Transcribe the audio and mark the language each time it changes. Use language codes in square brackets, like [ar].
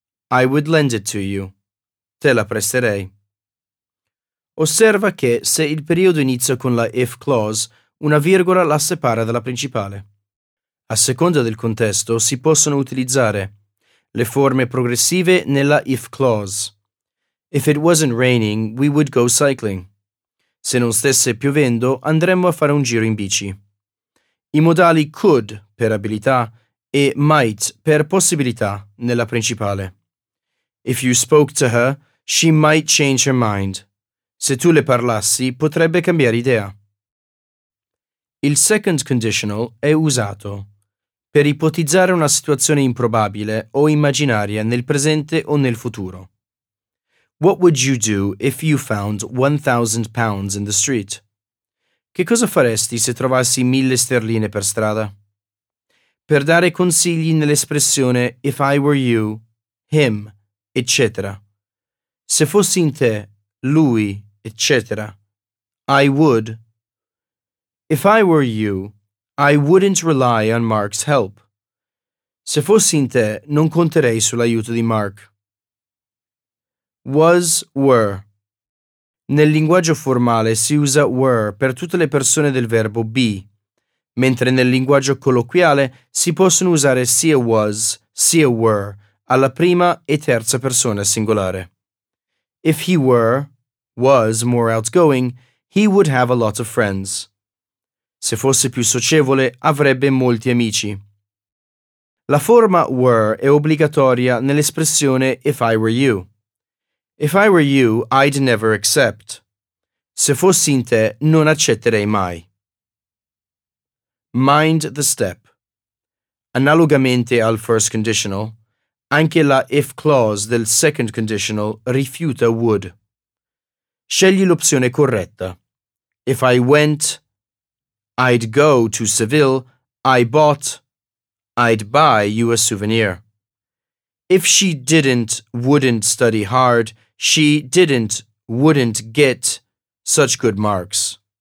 [en] I would lend it to you. [it] Te la presterei. Osserva che se il periodo inizia con la if clause, una virgola la separa dalla principale. A seconda del contesto si possono utilizzare le forme progressive nella if clause. [en] If it wasn't raining, we would go cycling. [it] Se non stesse piovendo, andremmo a fare un giro in bici. I modali could per abilità e might per possibilità nella principale. [en] If you spoke to her, she might change her mind. [it] Se tu le parlassi, potrebbe cambiare idea. Il second conditional è usato per ipotizzare una situazione improbabile o immaginaria nel presente o nel futuro. [en] What would you do if you found 1,000 pounds in the street? [it] Che cosa faresti se trovassi 1,000 sterline per strada? Per dare consigli nell'espressione [en] if I were you, [it] him, eccetera. Se fossi in te, lui, eccetera. [en] I would. If I were you, I wouldn't rely on Mark's help. [it] Se fossi in te, non conterei sull'aiuto di Mark. Was, were. Nel linguaggio formale si usa were per tutte le persone del verbo be, mentre nel linguaggio colloquiale si possono usare sia was, sia were, alla prima e terza persona singolare. [en] If he were, was more outgoing, he would have a lot of friends. [it] Se fosse più socievole, avrebbe molti amici. La forma were è obbligatoria nell'espressione [en] if I were you. If I were you, I'd never accept. [it] Se fossi in te, non accetterei mai. [en] Mind the step. [it] Analogamente al first conditional, anche la if clause del second conditional rifiuta would. Scegli l'opzione corretta. [en] If I went, I'd go to Seville, I bought, I'd buy you a souvenir. If she didn't, wouldn't study hard, she didn't, wouldn't get such good marks.